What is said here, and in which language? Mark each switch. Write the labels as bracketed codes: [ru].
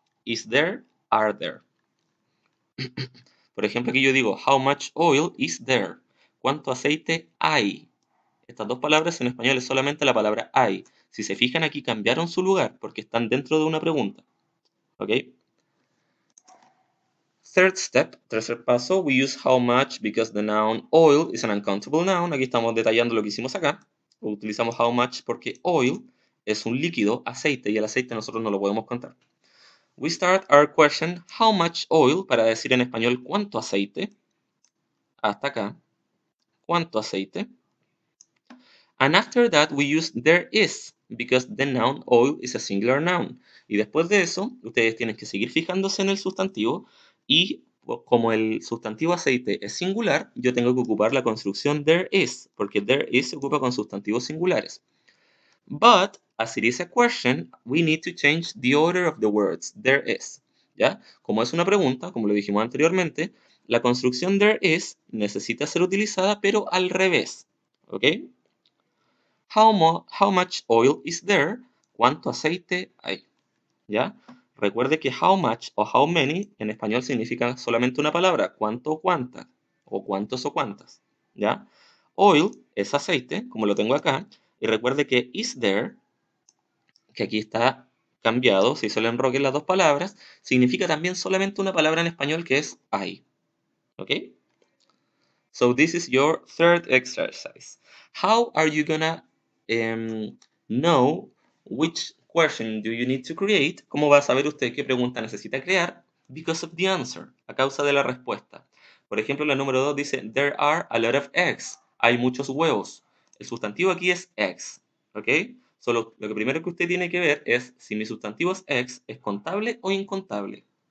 [en] Is there, are there. [es] Por ejemplo, aquí yo digo, [en] how much oil is there? [es] ¿Cuánto aceite hay? Estas dos palabras en español es solamente la palabra hay. Si se fijan aquí, cambiaron su lugar porque están dentro de una pregunta. [en] Okay? Third step, [es] tercer paso, [en] we use how much because the noun oil is an uncountable noun. [es] Aquí estamos detallando lo que hicimos acá. Utilizamos how much porque oil es un líquido, aceite, y el aceite nosotros no lo podemos contar. [en] We start our question, how much oil, [es] para decir en español cuánto aceite. Hasta acá, cuánto aceite. [en] And after that we use there is, because the noun oil is a singular noun. [es] Y después de eso, ustedes tienen que seguir fijándose en el sustantivo. Y como el sustantivo aceite es singular, yo tengo que ocupar la construcción there is, porque there is se ocupa con sustantivos singulares. [en] But, as it is a question, we need to change the order of the words, there is. [es] ¿Ya? Como es una pregunta, como lo dijimos anteriormente, la construcción there is necesita ser utilizada, pero al revés. ¿Okay? [en] How much oil is there? [es] ¿Cuánto aceite hay? [en] ¿Ya? [es] Recuerde que how much o how many en español significa solamente una palabra, cuánto o cuánta, o cuántos o cuántas, ¿ya? Oil es aceite, como lo tengo acá, y recuerde que is there, que aquí está cambiado, se hizo el enroque en las dos palabras, significa también solamente una palabra en español que es hay, ¿ok? [en] So this is your third exercise. How are you gonna know which question do you need to create? [es] ¿Cómo va a saber usted qué pregunta necesita crear? [en] Because of the answer, [es] a causa de la respuesta. Por ejemplo, la número 2 dice, [en] there are a lot of eggs. [es] Hay muchos huevos. El sustantivo aquí es eggs. ¿Ok? Solo lo que primero que usted tiene que ver es si mi sustantivo es eggs, ¿es contable o incontable?